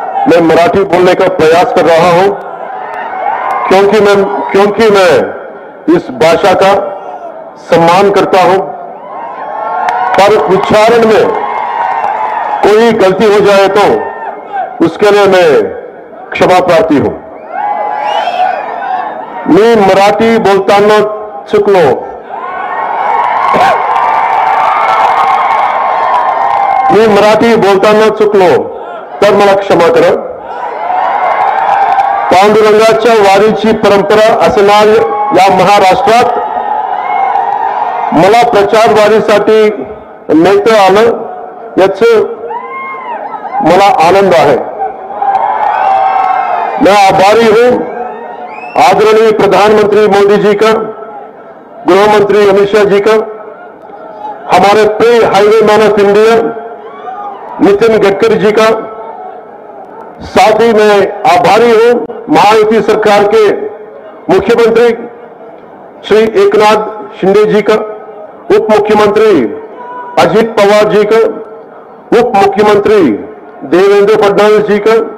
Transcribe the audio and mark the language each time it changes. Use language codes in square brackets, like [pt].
[hi] मैं मराठी बोलने का प्रयास कर रहा हूं क्योंकि मैं इस भाषा का सम्मान करता हूं, पर उच्चारण में कोई गलती हो जाए तो उसके लिए मैं क्षमा प्रार्थी हूं। [mr] मैं मराठी बोलता न चुकलो, मी मराठी बोलताना चुकलो तर मला क्षमा करा। पांडुरंगाच्या वारीची परंपरा असणाऱ्या या महाराष्ट्रात मला प्रचार वारीसाठी नेते आलं याच मला आनंद आहे। [hi] मैं आभारी हूं आदरणीय प्रधानमंत्री मोदी जी का, गृहमंत्री अमित शाह जी का, हमारे प्रिय highway man of India Nitin Gadkari ji का, साथ ही मैं आभारी हूं महायुति सरकार के मुख्यमंत्री श्री एकनाथ शिंदे जी का, उप मुख्यमंत्री अजीत पवार जी का, उप मुख्यमंत्री देवेंद्र फडणवीस जी का।